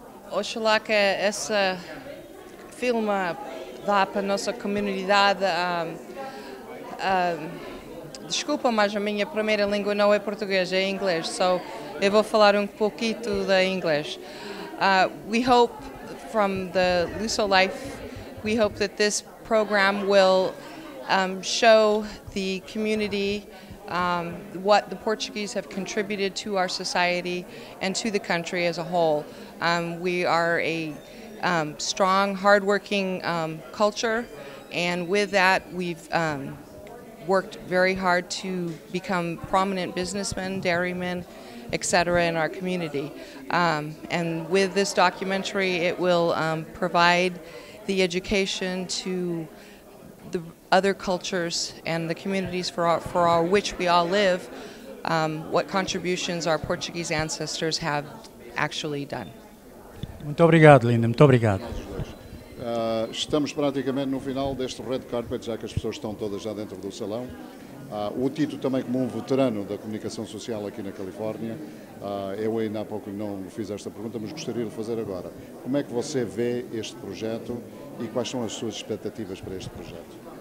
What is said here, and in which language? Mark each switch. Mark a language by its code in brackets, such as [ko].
[pt] Oxalá que esse filme dá para a nossa comunidade. Desculpa, mas a minha primeira língua não é português, é inglês. So eu vou falar um pouquinho de inglês. [en] We hope from the Luso Life, we hope that this program will show the community what the Portuguese have contributed to our society and to the country as a whole. We are a strong, hardworking culture, and with that we've worked very hard to become prominent businessmen, dairymen, etc. in our community. And with this documentary it will provide the education to the other cultures and the communities for our which we all live, what contributions our Portuguese ancestors have actually done. [pt] Muito obrigado, Linda, muito obrigado. Estamos praticamente no final deste red carpet, já que as pessoas estão todas já dentro do salão. O Tito também, como um veterano da comunicação social aqui na Califórnia, eu ainda há pouco não fiz esta pergunta, mas gostaria de fazer agora. Como é que você vê este projeto e quais são as suas expectativas para este projeto?